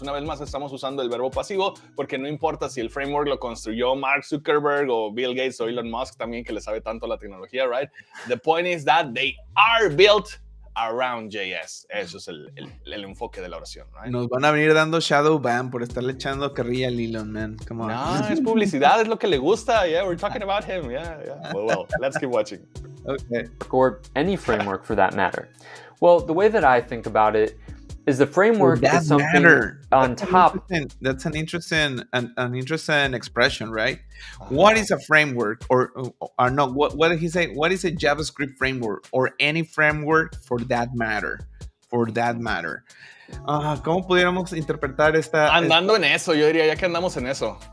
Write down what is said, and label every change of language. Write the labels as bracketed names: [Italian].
[Spanish] Una vez más, estamos usando el verbo pasivo porque no importa si el framework lo construyó Mark Zuckerberg o Bill Gates o Elon Musk también, que le sabe tanto la tecnología, right? [English] The point is that they are built around JS. [Spanish] Eso es el enfoque de la oración, right? Nos van a venir dando shadow ban por estarle echando carrilla al Elon, man. [English] Come on. [Spanish] No, es publicidad, es lo que le gusta. [English] Yeah, we're talking about him. Yeah, yeah. Well, let's keep watching. Okay. Or any framework for that matter. Well, the way that I think about it is the framework is something on top. That's an interesting expression, right? Uh-huh. What is a framework or no? What did he say? What is a JavaScript framework or any framework for that matter? For that matter. [Spanish] ¿Cómo pudiéramos interpretar esta? Andando en eso, yo diría, ya que andamos en eso.